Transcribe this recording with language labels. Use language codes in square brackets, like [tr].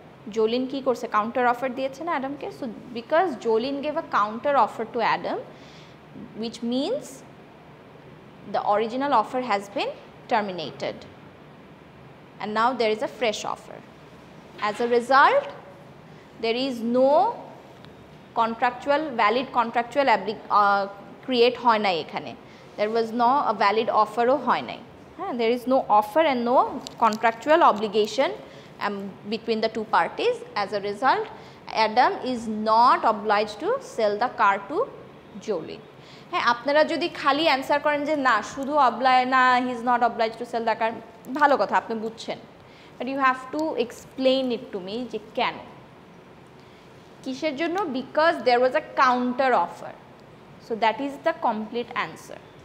[bn] Jolene ki korse counter offer diyeche na Adam ke. [en] So because Jolene gave a counter offer to Adam, which means the original offer has been terminated and now there is a fresh offer. As a result, there is no valid contractual create [bn] হয় নাই এখানে। [en] there was no a valid অফারও [bn] হয় নাই। [en] হ্যাঁ, there is no offer and no contractual obligation between the two parties. As a result Adam is not oblige to sell the car to Jolene. [bn] হ্যাঁ, আপনারা যদি খালি অ্যান্সার করেন যে না, শুধু অবলাই না, [en] he is not oblige to sell the car, [bn] ভালো কথা, আপনি বুঝছেন। [en] but you have to explain it to me [bn] যে কেন, কিসের জন্য? [en] Because there was a counter offer. So that is the complete answer.